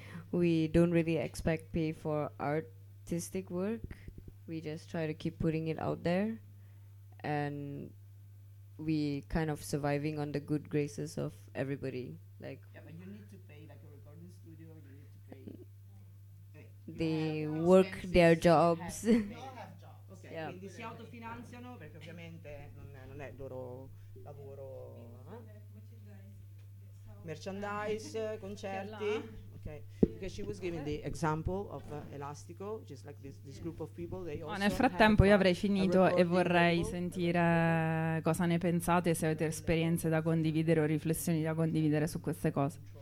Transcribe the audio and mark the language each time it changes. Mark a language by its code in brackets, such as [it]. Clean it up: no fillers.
[en] We don't really expect pay for artistic work. We just try to keep putting it out there. And we kind of surviving on the good graces of everybody. Like, yeah, but you need to pay like a recording studio, you need to pay. They work their jobs. They all have jobs. Okay. Yeah. [it] Quindi si autofinanziano perché ovviamente non è il loro lavoro. Merchandise, concerti. Okay. [en] Because she was giving the example of Elastico, which is like this group of people. They also [it] nel frattempo io avrei finito e vorrei sentire cosa ne pensate, se avete esperienze da condividere o riflessioni da condividere su queste cose.